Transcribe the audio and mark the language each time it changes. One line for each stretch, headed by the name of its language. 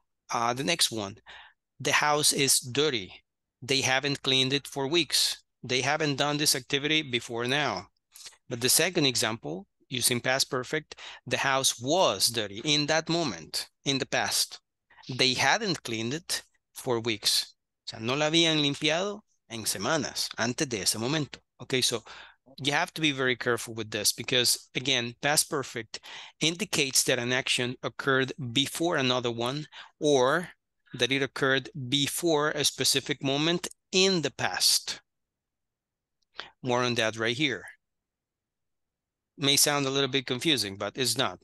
English: The next one, the house is dirty. They haven't cleaned it for weeks. They haven't done this activity before now. But the second example, using past perfect, the house was dirty in that moment, in the past. They hadn't cleaned it for weeks.
Spanish: O sea, no la habían limpiado en semanas, antes de ese momento.
English: Okay, so you have to be very careful with this because, again, past perfect indicates that an action occurred before another one or that it occurred before a specific moment in the past. More on that right here. May sound a little bit confusing, but it's not.